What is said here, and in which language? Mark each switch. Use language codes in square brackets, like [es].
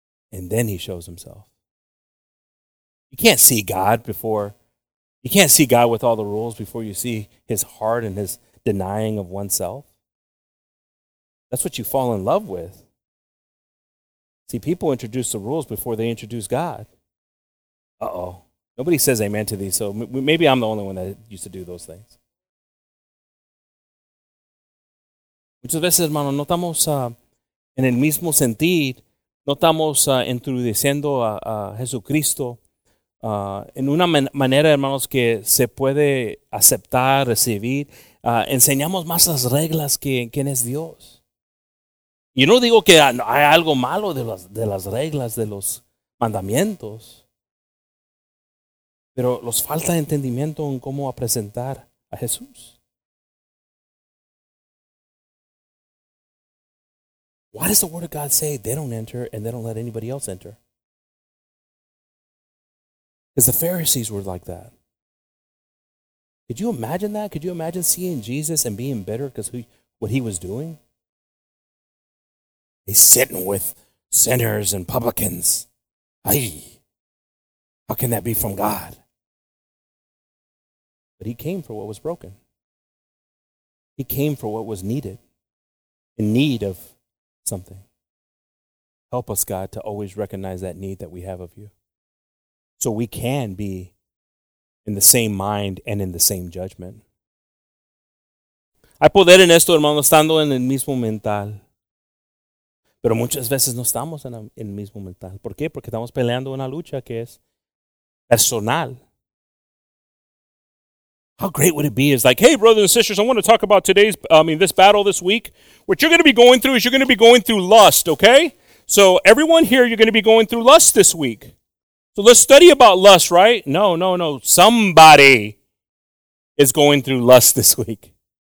[en] And then he shows himself. You can't see God before, you can't see God with all the rules before you see his heart and his denying of oneself. That's what you fall in love with. See, people introduce the rules before they introduce God. Uh-oh. Nobody says amen to these, so maybe I'm the only one that used to do those things. [es] Muchas veces, hermano, no estamos en el mismo sentido. No estamos introduciendo a Jesucristo en una manera, hermanos, que se puede aceptar, recibir. Enseñamos más las reglas que quién es Dios. Yo no digo que hay algo malo de las reglas, de los mandamientos. Pero nos falta entendimiento en cómo presentar a Jesús. [en] Why does the Word of God say they don't enter and they don't let anybody else enter? Because the Pharisees were like that. Could you imagine that? Could you imagine seeing Jesus and being bitter because what he was doing? He's sitting with sinners and publicans. Aye. How can that be from God? But he came for what was broken. He came for what was needed. In need of something. Help us, God, to always recognize that need that we have of you so we can be in the same mind and in the same judgment. [es] Hay poder en esto, hermano, estando en el mismo mental. Pero muchas veces no estamos en el mismo mental. ¿Por qué? Porque estamos peleando una lucha que es personal. [en] How great would it be? It's like, hey, brothers and sisters, I want to talk about this battle this week. What you're going to be going through is you're going to be going through lust, okay? So everyone here, you're going to be going through lust this week. So let's study about lust, right? No. Somebody is going through lust this week.